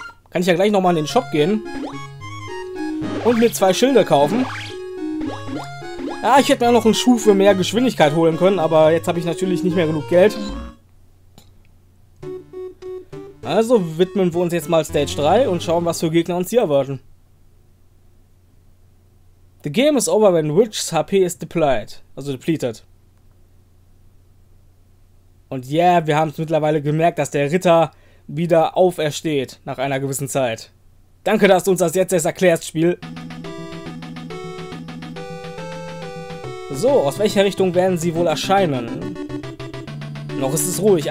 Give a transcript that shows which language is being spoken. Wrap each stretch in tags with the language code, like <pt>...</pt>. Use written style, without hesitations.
<de>Kann ich ja gleich nochmal in den Shop gehen. Und mir zwei Schilde kaufen. Ja, ich hätte mir auch noch einen Schuh für mehr Geschwindigkeit holen können, aber jetzt habe ich natürlich nicht mehr genug Geld. Also widmen wir uns jetzt mal Stage 3 und schauen, was für Gegner uns hier erwarten.</de> <en>The game is over when Witch's HP is depleted. Also depleted.</en> <de>Und yeah, wir haben es mittlerweile gemerkt, dass der Ritter wieder aufersteht nach einer gewissen Zeit. Danke, dass du uns das jetzt erst erklärst, Spiel. So, aus welcher Richtung werden sie wohl erscheinen? Noch ist es ruhig.</de>